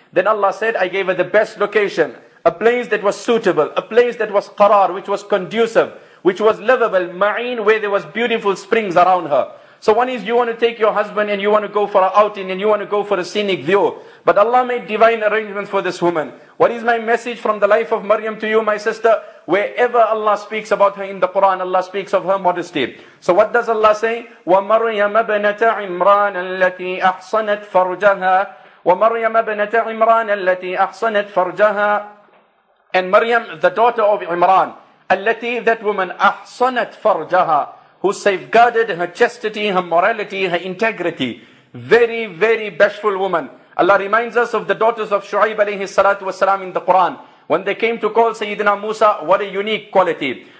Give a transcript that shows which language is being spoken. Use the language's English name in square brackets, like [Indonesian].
[English] Then Allah said, I gave her the best location, a place that was suitable, a place that was qarar, which was conducive, which was lovable, ma'een, where there was beautiful springs around her. So one is you want to take your husband and you want to go for an outing and you want to go for a scenic view. But Allah made divine arrangements for this woman. What is my message from the life of Maryam to you, my sister? Wherever Allah speaks about her in the Quran, Allah speaks of her modesty. So what does Allah say? [Arabic] وَمَرْيَمَ بَنَتَ عِمْرَانَ الَّتِي أَحْصَنَتْ فَرْجَهَا ومريم ابنة عمران التي أحصنت فرجها. [English] And Maryam, the daughter of Imran, التي, that woman, [Arabic] أحصنت فرجها, [English] who safeguarded her chastity, her morality, her integrity. Very, very bashful woman. Allah reminds us of the daughters of Shu'ayb alayhi salatu wasalam in the Quran. When they came to call Sayyidina Musa, what a unique quality.